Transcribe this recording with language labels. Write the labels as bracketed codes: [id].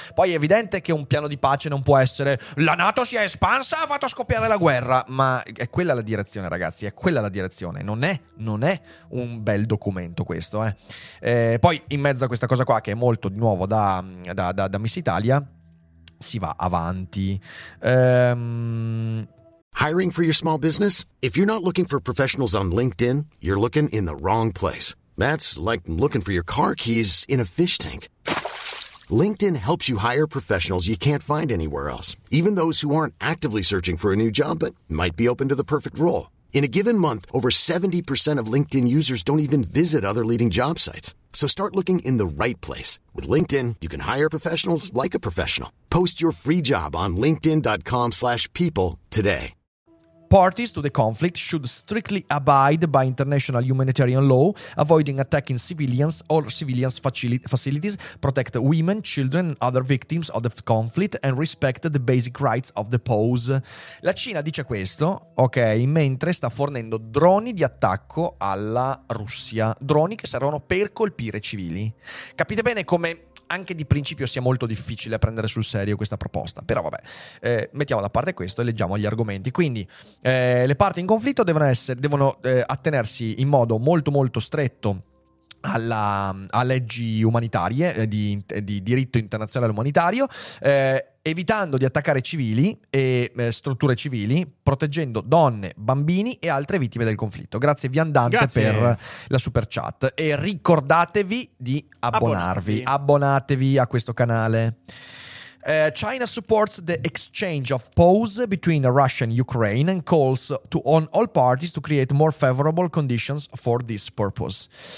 [it] Poi è evidente che un piano di pace non può essere la NATO si è espansa, ha fatto scoppiare la guerra, ma è quella la direzione, ragazzi, è quella la direzione, non è un bel documento questo, eh. Poi in mezzo a questa cosa qua, che è molto di nuovo da Miss Italia, si va avanti. [en] Hiring for your small business? If you're not looking for professionals on LinkedIn, you're looking in the wrong place. That's like looking for your car keys in a fish tank. LinkedIn helps you hire professionals you can't find anywhere else, even those who aren't actively searching for a new job but might be open to the perfect role. In a given month, over 70% of LinkedIn users don't even visit other leading job sites. So start looking in the right place. With LinkedIn, you can hire professionals like a professional. Post your free job on linkedin.com/people today. Parties to the conflict should strictly abide by international humanitarian law, avoiding attacking civilians or civilians' facilities, protect women, children and other victims of the conflict, and respect the basic rights of the POWs. [it] La Cina dice questo, ok, mentre sta fornendo droni di attacco alla Russia, droni che servono per colpire civili. Capite bene come anche di principio sia molto difficile prendere sul serio questa proposta, però vabbè, mettiamo da parte questo e leggiamo gli argomenti. Quindi le parti in conflitto devono attenersi in modo molto molto stretto a leggi umanitarie, di diritto internazionale umanitario, evitando di attaccare civili e strutture civili, proteggendo donne, bambini e altre vittime del conflitto. Grazie Viandante. Grazie per la super chat, e ricordatevi di abbonatevi a questo canale. [en] China supports the exchange of POWs between Russia and Ukraine and calls on all parties to create more favorable conditions for this purpose.